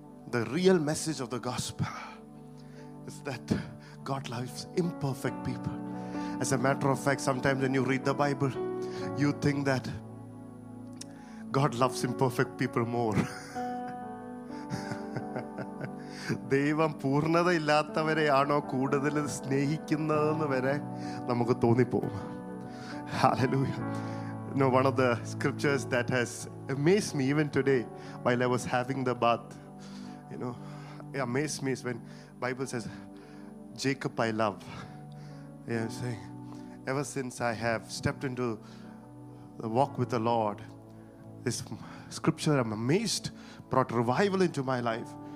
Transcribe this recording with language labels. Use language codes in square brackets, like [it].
[en] The real message of the gospel is that God loves imperfect people. As a matter of fact, sometimes when you read the Bible, you think that God loves imperfect people more. [ml] ദൈവം പൂർണ്ണത ഇല്ലാത്തവരെയാണോ കൂടുതൽ സ്നേഹിക്കുന്നതെന്ന് വരെ നമുക്ക് തോന്നിപ്പോകും. [en] Hallelujah. No, one of the scriptures that has amazed me even today while I was having the bath, you know, it amazed me is when Bible says, Jacob I love. Yeah, I'm saying, ever since I have stepped into the walk with the Lord, this scripture I'm amazed brought revival into my life.